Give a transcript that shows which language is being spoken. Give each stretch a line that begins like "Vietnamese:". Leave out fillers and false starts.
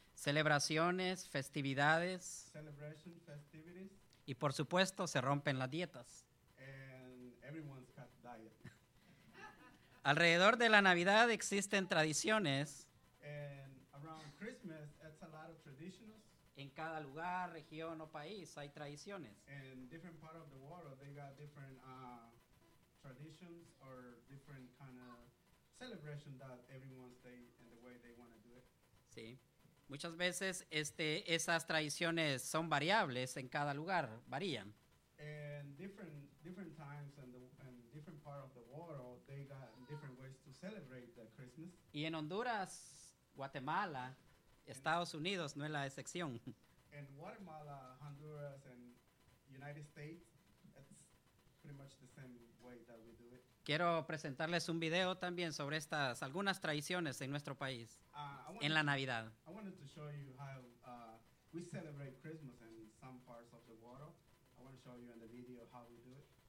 Spanish: Celebraciones, festividades.
English: Celebration, festivities.
Spanish: Y por supuesto se rompen las dietas.
English: And everyone's got diet.
Spanish: Alrededor de la Navidad existen tradiciones.
English: And around Christmas, it's a lot of traditions.
Spanish: En cada lugar, región o país hay tradiciones.
English: In different part of the world, they got different traditions or different kind of celebration that everyone stay in the way they want to do it.
Spanish: Sí. Muchas veces esas tradiciones son variables en cada lugar, varían.
English: And different times and different part of the world, they got different ways to celebrate the Christmas.
Spanish: Y en Honduras, Guatemala, Estados Unidos no es la excepción.
English: In Guatemala, Honduras, and United States, it's pretty much the same way that we do it.
Spanish: Quiero presentarles un video también sobre estas algunas tradiciones en nuestro país en la Navidad.
English: I wanted to show you how we celebrate Christmas in some parts of the world. I want to show you in the video how we do it.